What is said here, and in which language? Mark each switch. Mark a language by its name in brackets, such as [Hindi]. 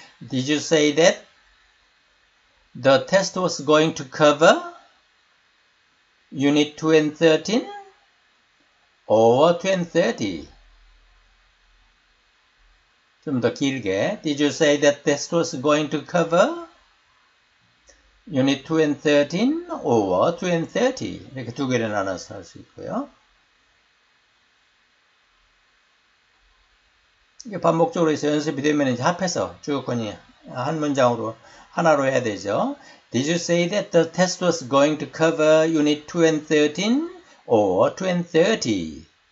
[English] Did you say that the test was going to cover unit 2 and 13? Or 2 and 30? [Korean] 좀더 길게. [English] Did you say that test was going to cover unit 2 and 13 over 2 and 30? [Korean] 이렇게 두 개를 나눠서 할수 있고요. 이게 반복적으로 해서 연습이 되면 이제 합해서 쭉 거니 한 문장으로 하나로 해야 되죠. [English] Did you say that the test was going to cover unit 2 and 13 over 2 and 30?